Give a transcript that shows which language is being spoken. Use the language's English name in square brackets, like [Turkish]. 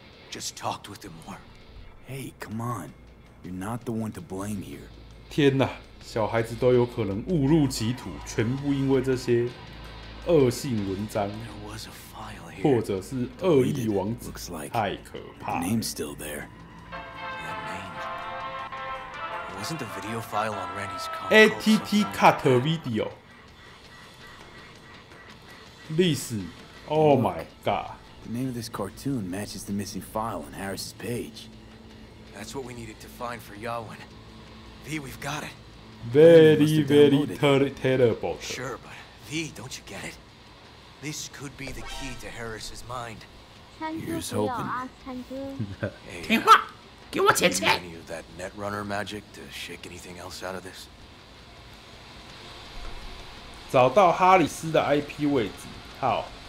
[English] Just talked with him more. Hey, come on. You're not the one to blame here. [Chinese] 天哪，小孩子都有可能误入歧途，全部因为这些恶性文章，或者是恶意网址，太可怕了。 [English] Name's still there. That name wasn't the video file on Randy's console. ATT cut video. This. Oh my god. The name of this cartoon matches the missing file on Harris's page. That's what we needed to find for Yawen. We've got it. Very, very terrible. Sure, but V, don't you get it? This could be the key to Harris's mind. Here's hoping. Hey, [Chinese] 听话，给我钱钱。 [English] Any of that Netrunner magic to shake anything else out of this? [Chinese] 找到哈里斯的 IP 位置。好。